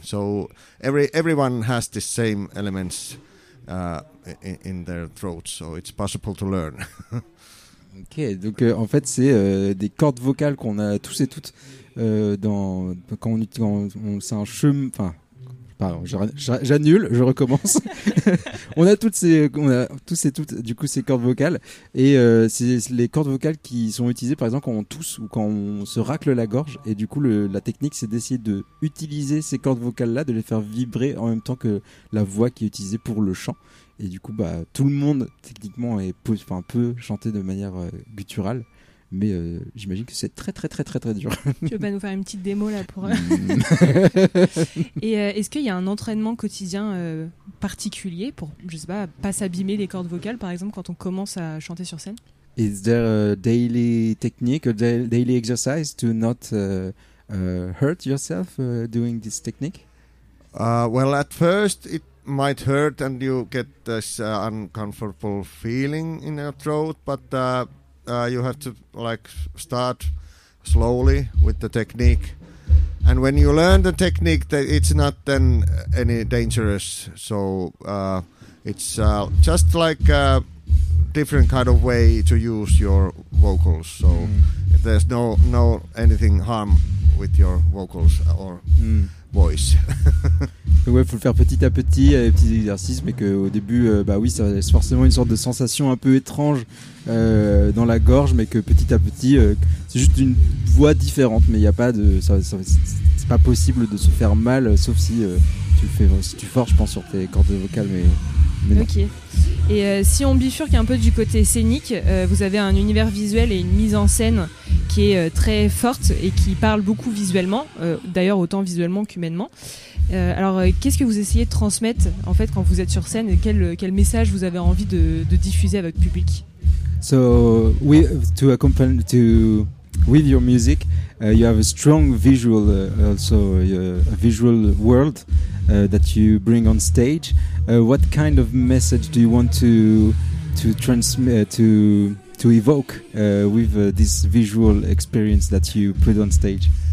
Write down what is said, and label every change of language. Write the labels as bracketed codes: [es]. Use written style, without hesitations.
[en] So everyone has the same elements in their throat, so it's possible to learn. [fr] Ok, donc en fait c'est des cordes vocales qu'on a tous et toutes on a tous et toutes du coup ces cordes vocales, et c'est les cordes vocales qui sont utilisées par exemple quand on tousse ou quand on se racle la gorge, et du coup la technique c'est d'essayer de utiliser ces cordes vocales là, de les faire vibrer en même temps que la voix qui est utilisée pour le chant. Et du coup, tout le monde, techniquement, peut chanter de manière gutturale. Mais j'imagine que c'est très, très, très, très, très dur. Tu veux pas nous faire une petite démo, là, pour... est-ce qu'il y a un entraînement quotidien particulier pour, je sais pas, pas s'abîmer les cordes vocales, par exemple, quand on commence à chanter sur scène? [en] Is there a daily technique, a daily exercise to not hurt yourself doing this technique? Well, at first it might hurt and you get this uncomfortable feeling in your throat, but you have to like start slowly with the technique. And when you learn the technique, it's not then any dangerous. So it's just like a different kind of way to use your vocals. So there's no anything harm with your vocals or voice. [fr] Donc ouais, faut le faire petit à petit, avec des petits exercices, mais qu'au début, bah oui, ça laisse forcément une sorte de sensation un peu étrange dans la gorge, mais que petit à petit, c'est juste une voix différente, mais il y a pas de, ça, c'est pas possible de se faire mal, sauf si tu le fais, si tu forces, je pense, sur tes cordes vocales, mais non. Ok. Et si on bifurque un peu du côté scénique, vous avez un univers visuel et une mise en scène qui est très forte et qui parle beaucoup visuellement, d'ailleurs autant visuellement qu'humainement. Alors, qu'est-ce que vous essayez de transmettre en fait quand vous êtes sur scène, et quel message vous avez envie de diffuser à votre public? [en] So, to accompany to with your music, you have a strong visual, also a visual world that you bring on stage. What kind of message do you want to transmit to evoke with this visual experience that you put on stage?